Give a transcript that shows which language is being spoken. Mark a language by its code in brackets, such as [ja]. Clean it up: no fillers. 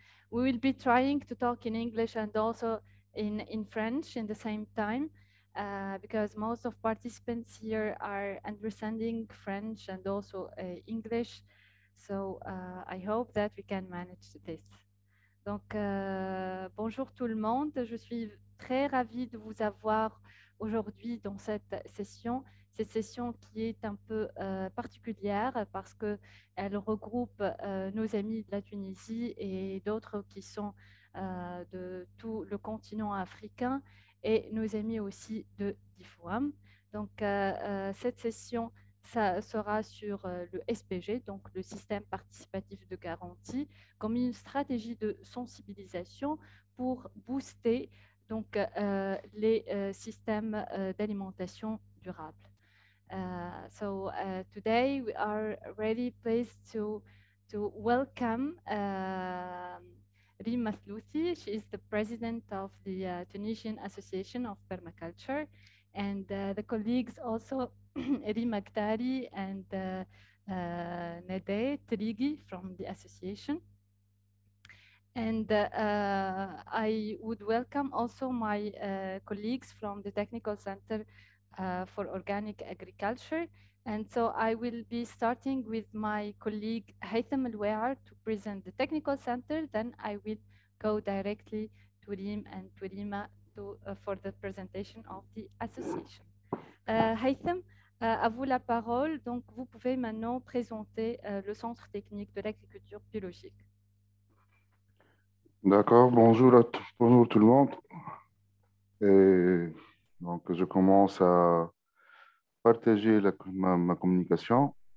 [en] We will be trying to talk in English and also in French in the same time because most of participants here are understanding French and also English. So I hope that we can manage this. [fr] Donc bonjour tout le monde. Je suis très ravie de vous avoir aujourd'hui dans cette session. Cette session qui est un peu particulière parce que elle regroupe nos amis de la Tunisie et d'autres qui sont de tout le continent africain et nos amis aussi de l'IFOAM. Donc cette session ça sera sur le SPG, donc le système participatif de garantie, comme une stratégie de sensibilisation pour booster donc les systèmes d'alimentation durable. [en] So today we are really pleased to welcome Rima Slouthi. She is the president of the Tunisian Association of Permaculture, and the colleagues also Rima Gdari and Nadeh Trigi from the association. And I would welcome also my colleagues from the Technical Center for Organic Agriculture. And so I will be starting with my colleague Haitham Al-Wehar to present the Technical Center. Then I will go directly to Rim and to Rima for the presentation of the association. [fr] Haitham, à vous la parole. Donc vous pouvez maintenant présenter le Centre technique de l'agriculture biologique. D'accord, bonjour tout le monde. Donc, je commence à partager ma communication.